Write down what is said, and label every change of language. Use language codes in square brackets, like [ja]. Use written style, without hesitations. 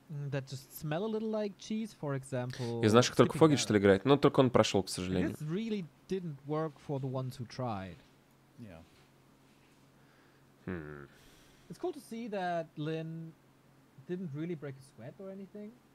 [en] That just smell a little like cheese, for example. [ru] Из наших только Фогель, что ли, играет? Но только он прошел, к сожалению. [en] This really didn't work for the ones who tried. Yeah. Hmm. It's cool to see that Lin didn't really break a sweat or anything.